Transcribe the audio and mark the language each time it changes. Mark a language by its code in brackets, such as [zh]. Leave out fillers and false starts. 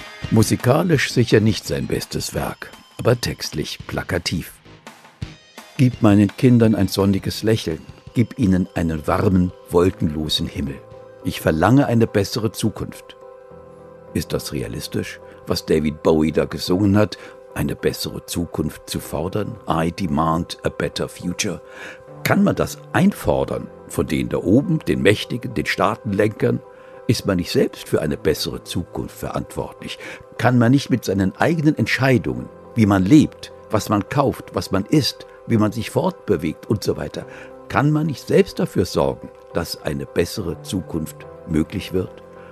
[de] Musikalisch sicher nicht sein bestes Werk, aber textlich plakativ. Gib meinen Kindern ein sonniges Lächeln, gib ihnen einen warmen, wolkenlosen Himmel. Ich verlange eine bessere Zukunft. Ist das realistisch, was David Bowie da gesungen hat, eine bessere Zukunft zu fordern? [en] I demand a better future. [de] Kann man das einfordern von denen da oben, den Mächtigen, den Staatenlenkern? Ist man nicht selbst für eine bessere Zukunft verantwortlich? Kann man nicht mit seinen eigenen Entscheidungen, wie man lebt, was man kauft, was man isst, wie man sich fortbewegt und so weiter, kann man nicht selbst dafür sorgen, dass eine bessere Zukunft möglich wird?